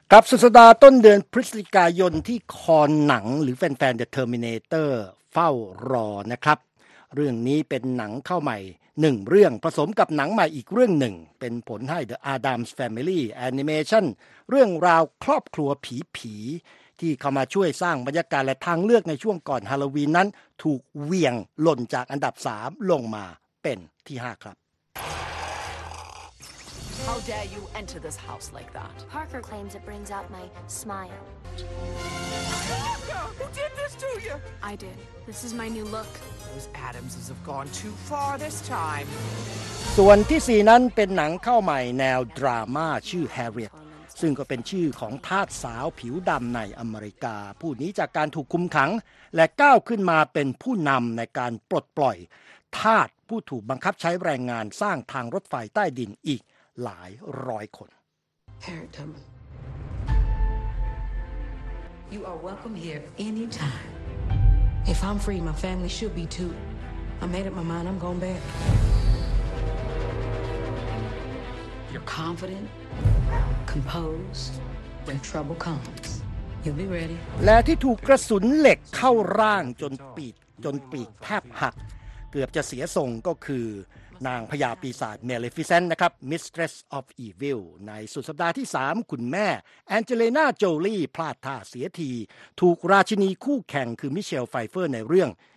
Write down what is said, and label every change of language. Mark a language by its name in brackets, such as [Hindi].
[Thai] ครับสุดสัปดาห์ต้นเดือนพฤศจิกายนที่คอนหนังหรือแฟนๆ The Terminator เฝ้ารอนะครับเรื่องนี้เป็นหนังเข้าใหม่1เรื่องผสมกับหนังใหม่อีกเรื่องหนึ่งเป็นผลให้ The Addams Family Animation เรื่องราวครอบครัวผีๆที่เข้ามาช่วยสร้างบรรยากาศและทางเลือกในช่วงก่อนฮาโลวีนนั้นถูกเหวี่ยงหล่นจากอันดับ3ลงมาเป็นที่5ครับ [English] How dare you enter this house like that? Parker claims it brings out my smile. Parker, who did this to you? I did. This is my new look. Those Adams have gone too far this time. [Thai] ส่วนที่4นั้นเป็นหนังเข้าใหม่แนวดราม่าชื่อ Harriet ซึ่งก็เป็นชื่อของทาสสาวผิวดำในอเมริกาผู้นี้จากการถูกคุมขังและก้าวขึ้นมาเป็นผู้นำในการปลดปล่อยทาสผู้ถูกบังคับใช้แรงงานสร้างทางรถไฟใต้ดินอีกหลายร้อยคน Harriet [English] You are welcome here anytimeIf I'm free, my family should be too. I made up my mind, I'm going back. You're confident, composed. When trouble comes, you'll be ready. [Thai] และที่ถูกกระสุนเหล็กเข้าร่างจนปีกแทบหักเกือบจะเสียทรงก็คือ นางพญาปีศาจ Maleficent นะครับ Mistress of Evil ในสุดสัปดาห์ที่3คุณแม่ Angelina Jolie พลาดท่าเสียทีถูกราชินีคู่แข่งคือ Michelle Pfeiffer ในเรื่อง